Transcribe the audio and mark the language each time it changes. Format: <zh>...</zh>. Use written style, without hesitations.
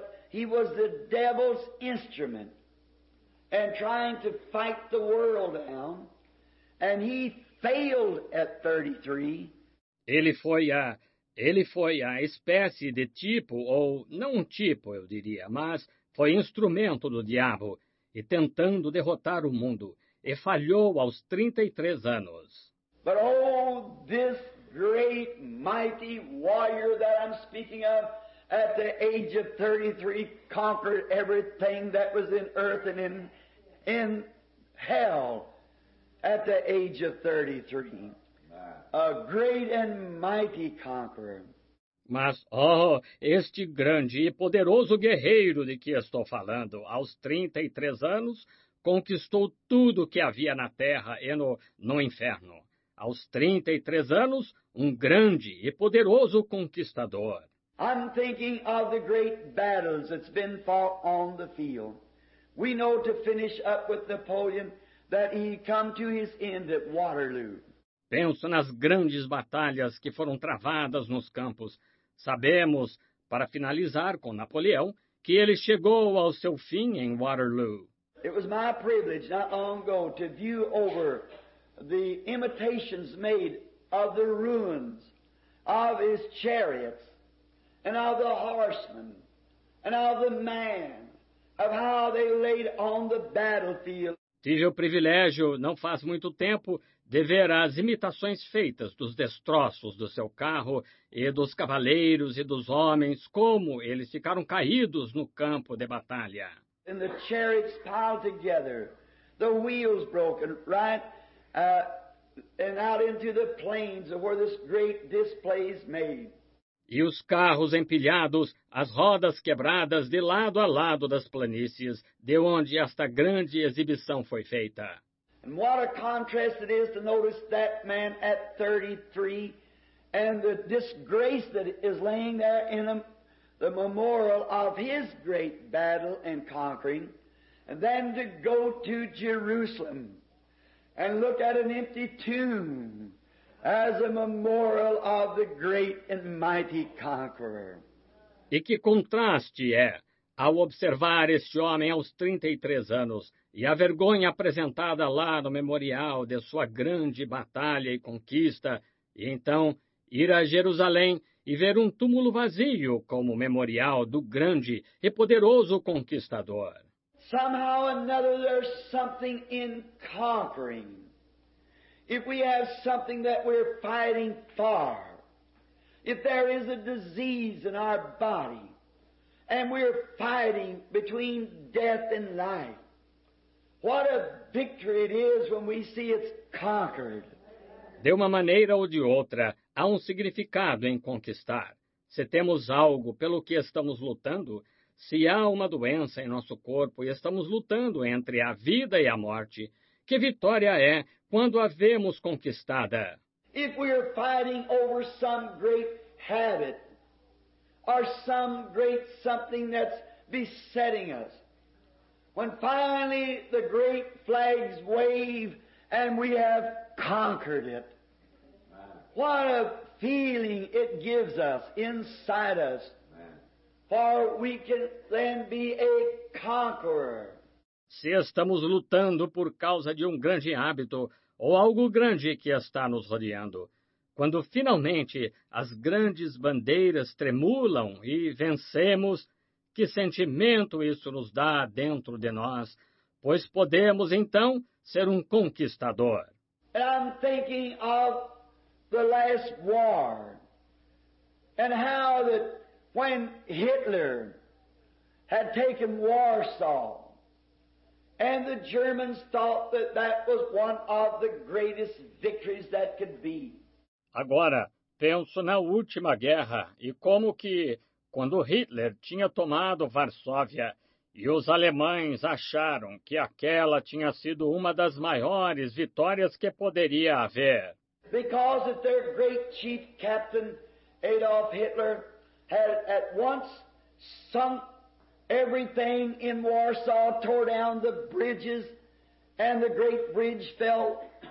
<en>He was the devil's instrument and trying to fight the world down, and he failed at 33.</en> <pt>Ele foi a espécie de tipo, ou não um tipo, eu diria, mas foi instrumento do diabo e tentando derrotar o mundo. E falhou aos 33 anos.</pt> <en>But oh, this great, mighty warrior that I'm speaking of, at the age of 33, conquered everything that was in earth and in hell at the age of 33. A great and mighty conqueror.</en> <pt>Mas, oh, este grande e poderoso guerreiro de que estou falando, aos 33 anos, conquistou tudo o que havia na terra e no inferno. Aos 33 anos, um grande e poderoso conquistador.</pt> <en>I'm thinking of the great battles that's been fought on the field. We know to finish up with Napoleon that he come to his end at Waterloo.</en> <pt>Penso nas grandes batalhas que foram travadas nos campos. Sabemos, para finalizar com Napoleão, que ele chegou ao seu fim em Waterloo.</pt> <en>It was my privilege not long ago to view over the imitations made of the ruins of his chariots and of the horsemen and of the man, of how they laid on the battlefield.</en> <pt>Tive o privilégio, não faz muito tempo, de ver as imitações feitas dos destroços do seu carro e dos cavaleiros e dos homens, como eles ficaram caídos no campo de batalha.</pt> <en>And the chariots piled together, the wheels broken, right? And out into the plains of where this great display is made.</en> <pt>E os carros empilhados, as rodas quebradas de lado a lado das planícies, de onde esta grande exibição foi feita.</pt> <en>And what a contrast it is to notice that man at 33 and the disgrace that is laying there in him, the memorial of his great battle and conquering, and then to go to Jerusalem and look at an empty tomb as a memorial of the great and mighty conqueror.</en> <pt>E que contraste é ao observar este homem aos 33 anos e a vergonha apresentada lá no memorial de sua grande batalha e conquista, e então ir a Jerusalém e ver um túmulo vazio como memorial do grande e poderoso conquistador.</pt> <en>Somehow or another, there's something in conquering. If we have something that we're fighting for, if there is a disease in our body, and we're fighting between death and life, what a victory it is when we see it's conquered.</en> <pt>De uma maneira ou de outra, há um significado em conquistar. Se temos algo pelo que estamos lutando, se há uma doença em nosso corpo e estamos lutando entre a vida e a morte, que vitória é quando a vemos conquistada?</pt> <en>If we are fighting over some great habit or some great something that's besetting us, when finally the great flags wave and we have conquered it, what a feeling it gives us inside us, for we can then be a conqueror.</en> <pt>Se estamos lutando por causa de um grande hábito ou algo grande que está nos rodeando, quando finalmente as grandes bandeiras tremulam e vencemos, que sentimento isso nos dá dentro de nós, pois podemos então ser um conquistador.</pt> <en>I'm thinking of the last war and how that when Hitler had taken Warsaw, and the Germans thought that that was one of the greatest victories that could be.</en> <pt>Agora, penso na última guerra e como que, quando Hitler tinha tomado Varsóvia e os alemães acharam que aquela tinha sido uma das maiores vitórias que poderia haver.</pt> <en>Because of their great chief captain, Adolf Hitler, had at once sunk everything in Warsaw, tore down the bridges, and the great bridge fell.</en>